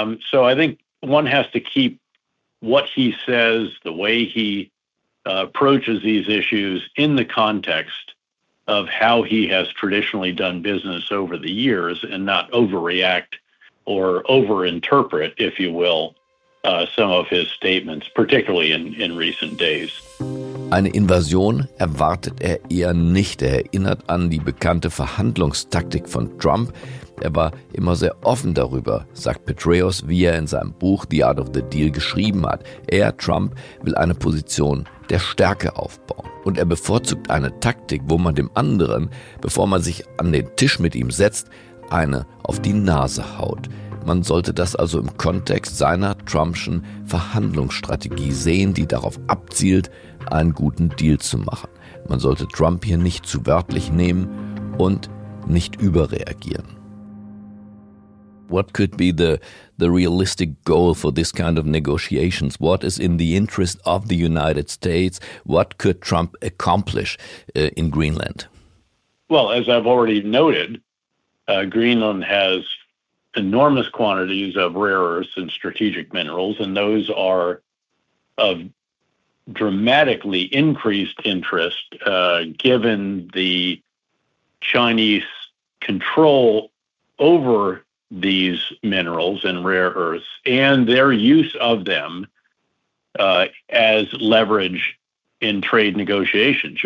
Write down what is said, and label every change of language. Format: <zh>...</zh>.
<en>So I think one has to keep what he says, the way he approaches these issues in the context of how he has traditionally done business over the years and not overreact or overinterpret, if you will, some of his statements, particularly in recent days.</en> <de>Eine Invasion erwartet er eher nicht. Er erinnert an die bekannte Verhandlungstaktik von Trump. Er war immer sehr offen darüber, sagt Petraeus, wie er in seinem Buch The Art of the Deal geschrieben hat. Er, Trump, will eine Position der Stärke aufbauen. Und er bevorzugt eine Taktik, wo man dem anderen, bevor man sich an den Tisch mit ihm setzt, eine auf die Nase haut. Man sollte das also im Kontext seiner Trumpschen Verhandlungsstrategie sehen, die darauf abzielt, einen guten Deal zu machen. Man sollte Trump hier nicht zu wörtlich nehmen und nicht überreagieren.</de> <en>What could be the realistic goal for this kind of negotiations? What is in the interest of the United States? What could Trump accomplish in Greenland? Well, as I've already noted, Greenland has enormous quantities of rare earths and strategic minerals, and those are of dramatically increased interest given the Chinese control over these minerals and rare earths and their use of them as leverage in trade negotiations.</en>